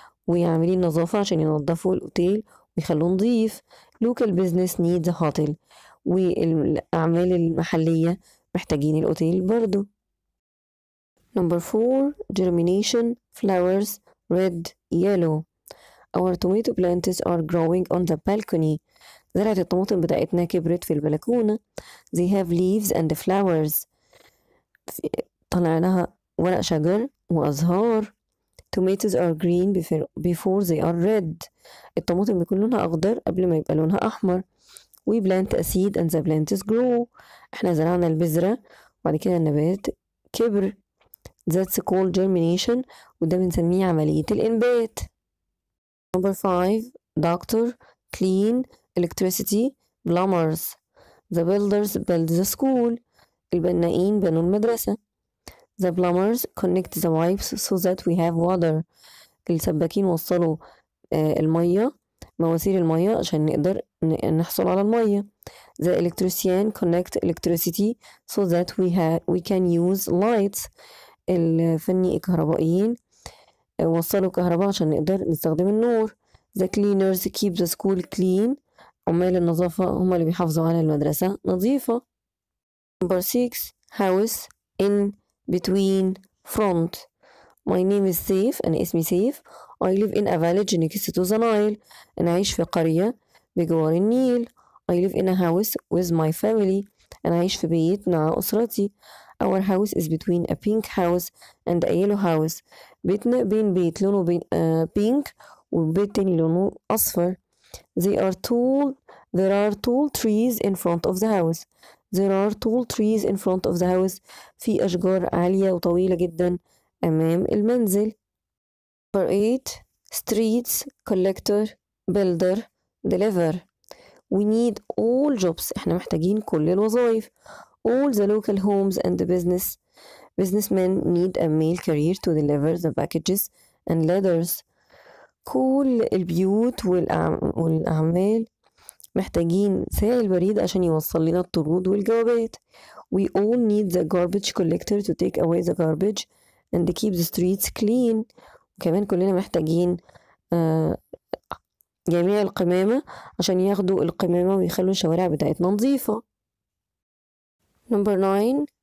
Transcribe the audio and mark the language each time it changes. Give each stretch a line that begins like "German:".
Arabic: ويعملين نظافة عشان ينظفوا الأوتيل ويخلوه نظيف.
English: Local business needs a hotel.
Arabic: والأعمال المحلية محتاجين الأوتيل برضو.
English: Number four. Germination. Flowers. Red. Yellow. Our tomato plants are growing on the balcony.
Arabic: زرعة الطماطم بتاعتنا كبرت في البلكونة.
English: They have leaves and flowers.
Arabic: طلع لها ورق شجر وأزهار.
English: Tomatoes are green before they are red.
Arabic: الطماطم بيكون لونها أخضر قبل ما يبقى لونها أحمر.
English: We plant a seed and the plants grow.
Arabic: احنا زرعنا البذرة وبعد كده النبات كبر.
English: That's called germination.
Arabic: وده بنسميه عملية الإنبات.
English: Number five. Doctor. Clean. Electricity, plumbers. The builders build the school.
Arabic: البنائين بنوا المدرسة.
English: The plumbers connect the pipes so that we have water.
Arabic: السباكين وصلوا المية مواسير المية عشان نقدر نحصل على المية.
English: The electrician connect electricity so that we can use lights.
Arabic: الفني الكهربائيين وصلوا كهرباء عشان نقدر نستخدم النور.
English: The cleaners keep the school clean.
Arabic: عمال النظافة هما اللي بيحافظوا على المدرسة نظيفة.
English: Number six. House in between front. My name is Saif.
Arabic: أنا اسمي سيف.
English: I live in a village next to the Nile.
Arabic: أنا عايش في قرية بجوار النيل.
English: I live in a house with my family.
Arabic: أنا عايش في بيت مع أسرتي.
English: Our house is between a pink house and a yellow house.
Arabic: بيتنا بين بيت لونه pink وبيت تاني لونه أصفر.
English: There are tall trees in front of the house. There are tall trees in front of the house.
Arabic: في أشجار عالية وطويلة جدا أمام المنزل.
English: Number eight. Streets, collector, builder, deliver. We need all jobs.
Arabic: إحنا محتاجين كل الوظائف.
English: All the local homes and the business. Businessmen need a mail carrier to deliver the packages and letters.
Arabic: كل البيوت والأعمال محتاجين سائل البريد عشان يوصل لنا الطرود والجوابات.
English: We all need the garbage collector to take away the garbage and keep the streets clean.
Arabic: وكمان كلنا محتاجين جميع القمامة عشان ياخدوا القمامة ويخلوا الشوارع بتاعتنا نظيفة.
English: Number 9.